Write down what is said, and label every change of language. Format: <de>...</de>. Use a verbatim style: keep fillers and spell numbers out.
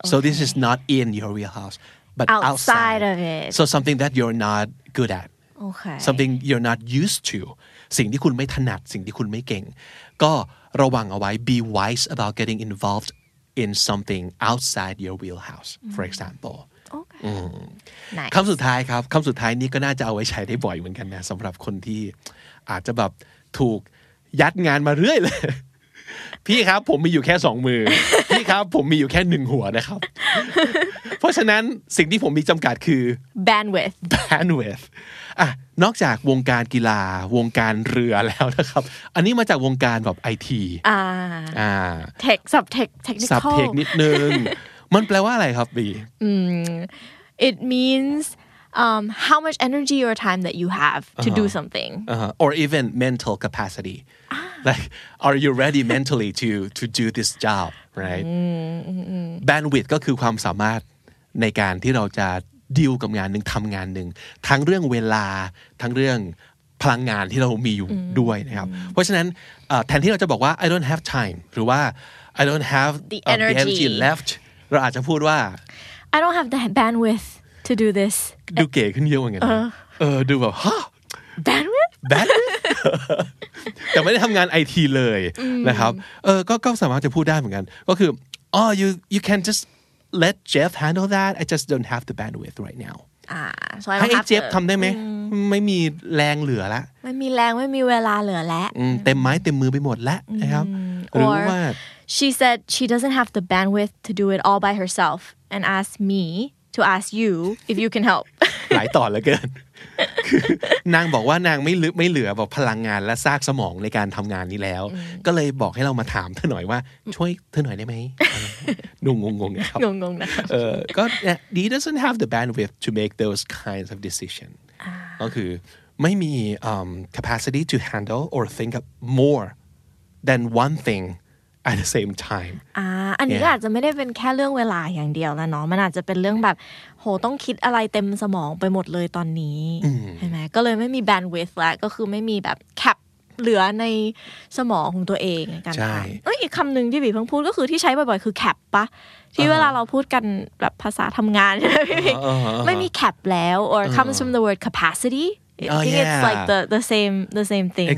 <en>So this is not in your wheelhouse, but outside, of it. So something that you're not good at. Okay. Something you're not used to.</en> <th>สิ่งที่คุณไม่ถนัดสิ่งที่คุณไม่เก่งก็ระวังเอาไว้</th> <en>Be wise about getting involved in something outside your wheelhouse. For example. Okay. อืม Nice.</en> <th>คำสุดท้ายครับคำสุดท้ายนี้ก็น่าจะเอาไว้ใช้ได้บ่อยเหมือนกันนะสำหรับคนที่อาจจะแบบถูกยัดงานมาเรื่อยเลยพี่ครับผมมีอยู่แค่สองมือพี่ครับผมมีอยู่แค่หนึ่งหัวนะครับเพราะฉะนั้นสิ่งที่ผมมีจำกัดคือ</th> <en>bandwidth</en> <th>bandwidth อ่ะนอกจากวงการกีฬาวงการเรือแล้วนะครับอันนี้มาจากวงการแบบ ไอ ที อ่า อ่า</th> <en>tech subtech technical</en> <th>subtech นิดนึงมันแปลว่าอะไรครับบี</th> <en>อืม it means um how much energy or time that you have to do something uh-huh. or even mental capacity like are you ready mentally to to do this job right</en> <th>bandwidth ก็คือความสามารถในการที่เราจะดีลกับงานนึงทำงานนึงทั้งเรื่องเวลาทั้งเรื่องพลังงานที่เรามีอยู่ด้วยนะครับเพราะฉะนั้นแทนที่เราจะบอกว่า</th> <en>I don't have time</en> <th>หรือว่า</th> <en>I don't have the energy, the energy left</en> <th>เราอาจจะพูดว่า</th> <en>I don't have the bandwidth to do this</en> <th>ดูเก๋ขึ้นเยอะเหมือนกันเออดูแบบฮะ</th> <en>bandwidth</en> <th>bandwidth แต่ไม่ได้ทำงาน ไอ ที เลยนะครับเออก็ก็สามารถจะพูดได้เหมือนกันก็คือ</th> <en>oh you you can just let Jeff handle that I just don't have the bandwidth right now อ่า</en> <th>ให้เจฟทำได้ไหมไม่มีแรงเหลือละ ไม่มีแรงไม่มีเวลาเหลือแล้ว เต็มไม้เต็มมือไปหมดแล้วนะครับหรือว่า</th> <en>she said she doesn't have the bandwidth to do it all by herself and asked me to ask you if you can help</en> <th>หลายต่อเหลือเกิน นางบอกว่านางไม่ลืไม่เหลือแบบพลังงานและซากสมองในการทำงานนี้แล้ว ก็เลยบอกให้เรามาถามเธอหน่อยว่าช่วยเธอหน่อยได้ไหมดูงงๆนะครับ งงๆนะครับ เออก็</th> <en>he doesn't have the bandwidth to make those kinds of decision</en> <th>ก็คือไม่มี um,</th> <en>capacity to handle or think of more than one thing at the same time</en> <th>อ่าอันนี้ yeah. อาจจะไม่ได้เป็นแค่เรื่องเวลาอย่างเดียวแล้วเนาะมันอาจจะเป็นเรื่องแบบโหต้องคิดอะไรเต็มสมองไปหมดเลยตอนนี้ใช่ไหมก็เลยไม่มี bandwidth ละก็คือไม่มีแบบแคปเหลือในสมองของตัวเองในการทำเอ้ยอีกคำหนึ่งที่บีเพิ่งพูดก็คือที่ใช้บ่อยๆคือแคปปะที่เวลาเราพูดกันแบบภาษาทำงานใช่ไหมพี่ไม่มีแคปแล้ว</th> <en>or comes from the word capacity I think it's like the the same the same thing</en>